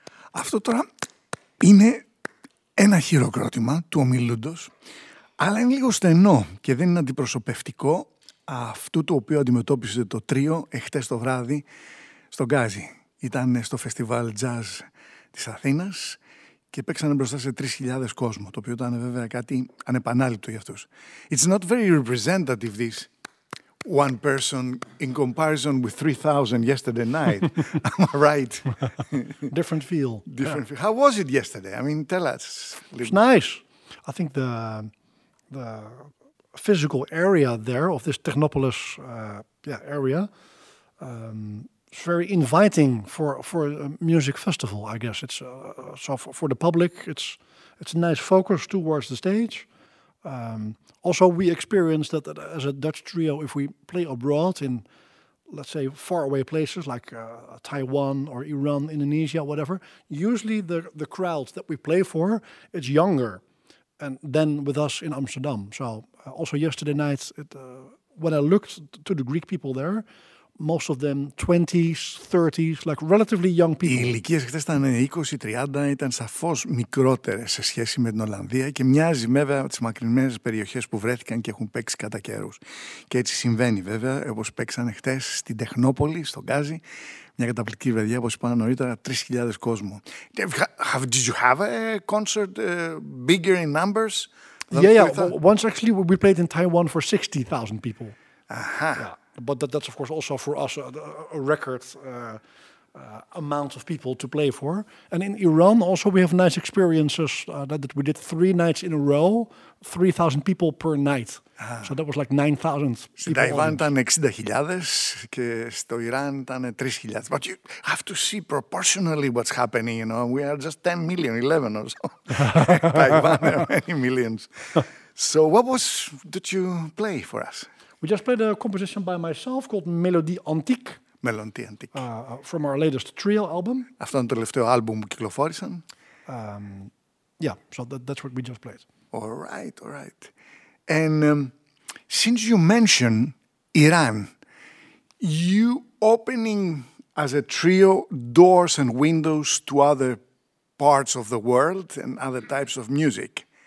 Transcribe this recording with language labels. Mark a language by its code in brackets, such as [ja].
[el] αυτό τώρα είναι ένα χειροκρότημα του ομιλούντος, αλλά είναι λίγο στενό και δεν είναι αντιπροσωπευτικό αυτού το οποίο αντιμετώπισε το τρίο εχθές το βράδυ στον Γκάζι. Ήταν στο φεστιβάλ jazz της Αθήνας και παίξανε μπροστά σε 3.000 κόσμο, το οποίο ήταν βέβαια κάτι ανεπανάληπτο για αυτούς. [en] It's not very representative this one person in comparison with 3,000 yesterday night. Am I right? Different feel. Different feel. How was it yesterday? I mean, tell us. It's nice. I think the physical area there of this Technopolis area it's very inviting for a music festival, I guess. It's so for the public, it's a nice focus towards the stage. Also, we experienced that as a Dutch trio, if we play abroad in, let's say, faraway places like Taiwan or Iran, Indonesia, whatever, usually the crowds that we play for, it's younger than with us in Amsterdam. So also yesterday night, when I looked to the Greek people there, most of them 20s, 30s, like relatively young people. [el] Οι ηλικίες χθες ήταν 20-30, ήταν σαφώς μικρότερες σε σχέση με την Ολλανδία και μοιάζει βέβαια τις μακρινές περιοχές που βρέθηκαν και έχουν παίξει κατά καιρούς. Και έτσι συμβαίνει βέβαια, όπως παίξανε χθες στην Τεχνόπολη, στον Γκάζι, μια καταπληκτική βραδιά, όπως είπα νωρίτερα, 3.000 κόσμο. [en] Did you have a concert bigger in numbers? Once actually we played in Taiwan for 60,000 people. But that's of course also for us a record amount of people to play for. And in Iran also we have nice experiences that we did 3 nights in a row, 3,000 people per night. So that was like 9,000 people. [el] Στην Ταϊβάν ήταν 60,000 και στο Ιράν ήταν 3,000. [en] But you have to see proportionally what's happening, you know. We are just 10 million, 11 or so. Ταϊβάν, there are many millions. So did you play for us? We just played a composition by myself called Mélodie Antique. Mélodie Antique. From our latest trio album. [el] Αυτό είναι το τελευταίο άλμπουμ που κυκλοφόρησαν. [en] So that's what we just played. All right. And since you mentioned Iran, you opening as a trio doors and windows to other parts of the world and other types of music.